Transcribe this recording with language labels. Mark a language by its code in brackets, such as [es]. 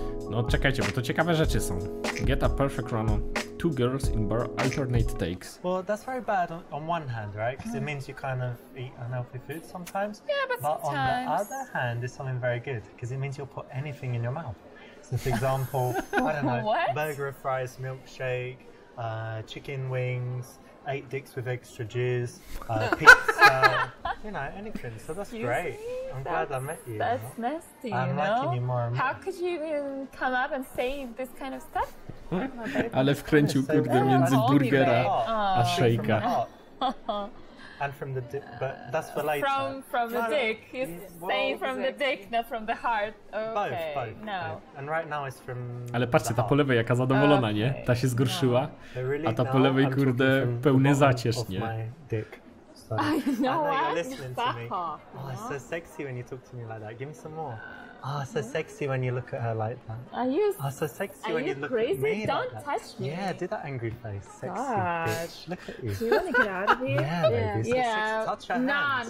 [pl] No czekajcie, bo to ciekawe rzeczy są. [en] Get a perfect run on. Two girls in bar alternate takes. Well, that's very bad on one hand, right? Because it means you kind of eat unhealthy food sometimes. Yeah, but sometimes. On the other hand, it's something very good because it means you'll put anything in your mouth. So, for example, I don't know, what? Burger, fries, milkshake, chicken wings, eight dicks with extra juice, pizza, you know, anything. So that's great. I'm glad I met you. That's nasty, you know? I'm liking you more and more. How could you even come up and say this kind of stuff? [pl] Ale wkręcił, kurde, między burgera a szejka. [en] And from the dick, but that's for later. From the dick. He's saying from the dick, not from the heart. Okay. Both. No. And right now it's from. [pl] Ale patrzcie, ta po lewej jaka zadowolona, nie? Ta się zgorszyła. A ta po lewej, kurde, pełny zacież, nie? [en] I know why you're listening to me. Oh, it's so sexy when you talk to me like that. Give me some more. Oh, so sexy when you look at her like that. Are you crazy? Don't touch me. Yeah, do that angry face. Sexy Gosh. Bitch. Look at you. Do you want to get out of here? Yeah, yeah. Baby. So yeah. Touch her hands.